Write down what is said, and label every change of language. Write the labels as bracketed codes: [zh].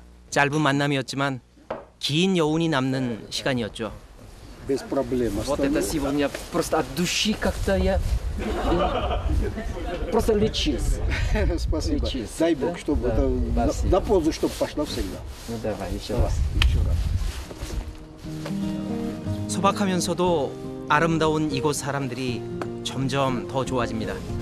[ko] 짧은 만남이었지만 긴 여운이 남는 시간이었죠. [ru] Без проблем. Вот это сегодня просто от души как-то я просто лечился. Спасибо. Дай Бог, чтобы это на позу, чтобы пошло всегда. Ну давай, еще раз. [ko] 소박하면서도 아름다운 이곳 사람들이 점점 더 좋아집니다.